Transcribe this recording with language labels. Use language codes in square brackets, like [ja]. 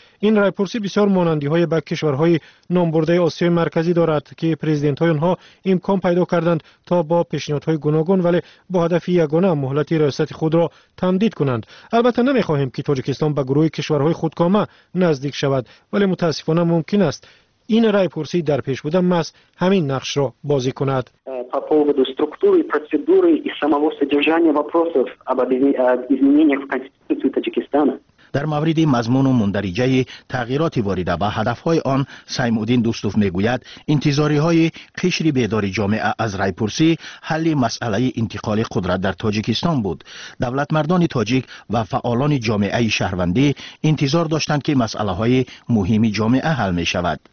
[fa] این رای پرسی بسیار مانندی های به کشورهای نامبرده آسیای مرکزی دارد که پرزیدنت های آنها امکان پیدا کردند تا با پیشنهادهای گوناگون ولی با هدف یگانه مهلت ریاست خود را تمدید کنند. البته نمیخواهیم که تاجیکستان به گروه کشورهای خودکامه نزدیک شود، ولی متاسفانه ممکن است این رای پرسی در پیش بوده مس همین نقش را بازی کند. [ru] поводу структуры, процедуры и самого содержания вопросов об изменениях в Конституции Таджикистана. [fa] در مورد مضمون و مندرجه تغییرات وارده به هدفهای آن، سیمودین دوستوف میگوید انتظاری های قشر بیدار جامعه از رای پرسی حل مسئله انتقال قدرت در تاجیکستان بود. دولت مردان تاجیک و فعالان جامعه شهروندی انتظار داشتند که مسئله های مهم جامعه حل می شود.